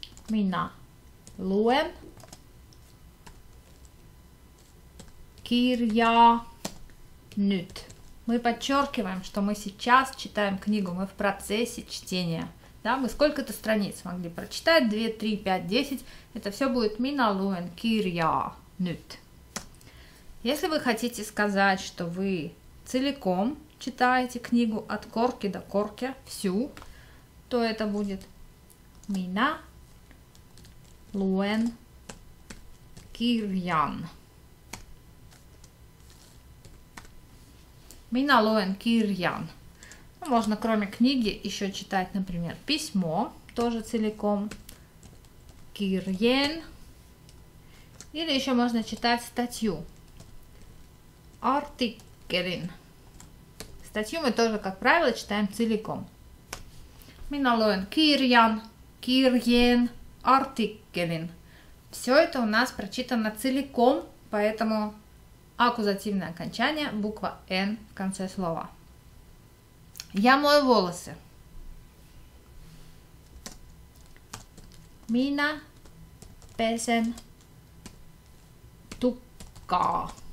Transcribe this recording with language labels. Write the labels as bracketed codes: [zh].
[fi] Minä luen kirjaa nyt. [ru] Мы подчеркиваем, что мы сейчас читаем книгу, мы в процессе чтения. Да, мы сколько-то страниц могли прочитать, 2, 3, 5, 10. Это все будет [fi] minä luen kirjaa nyt. [ru] Если вы хотите сказать, что вы целиком читаете книгу от корки до корки, всю, то это будет [fi] minä luen kirjan. Minä luen kirjan. [ru] Можно кроме книги еще читать, например, письмо, тоже целиком, kirjeen, или еще можно читать статью, artikkelin. Статью мы тоже, как правило, читаем целиком. [fi] Minä luen kirjan, kirjeen, artikkelin. [ru] Все это у нас прочитано целиком, поэтому аккузативное окончание, буква N в конце слова. Я мою волосы. [fi] Мина, песен, тука.